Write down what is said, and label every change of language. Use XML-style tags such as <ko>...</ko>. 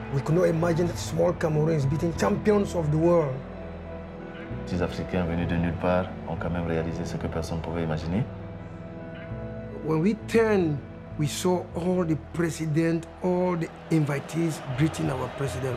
<en>We could not imagine that small Cameroons beating champions of the world.</en> <fr>Ces Africains venus de nulle part ont quand même réalisé ce que personne pouvait imaginer.</fr> <en>When we turned, we saw all the presidents, all the invitees greeting our president.</en>